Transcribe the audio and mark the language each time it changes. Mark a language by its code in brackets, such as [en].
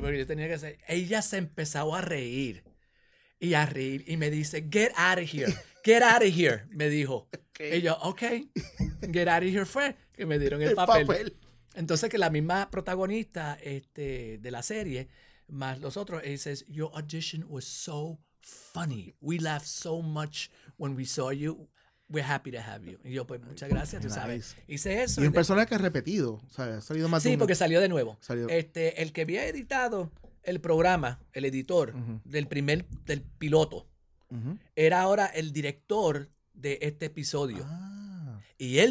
[es] Porque yo tenía que hacer. Ella se empezó a reír y a reír y me dice, [en] get out of here, [es] me dijo. Okay. Y yo, ok, [en] get out of here [es] fue, que me dieron el papel. Entonces, que la misma protagonista de la serie, más los otros, ella dice, [en] your audition was so funny. We laughed so much when we saw you. We're happy to have you. [es] Y yo, pues, muchas gracias, tú sabes. Hice eso. Y un personaje que ha repetido. O sea, ha salido más de nuevo. Sí, porque salió de nuevo. El que había editado el programa, el editor del piloto era ahora el director de este episodio. Y él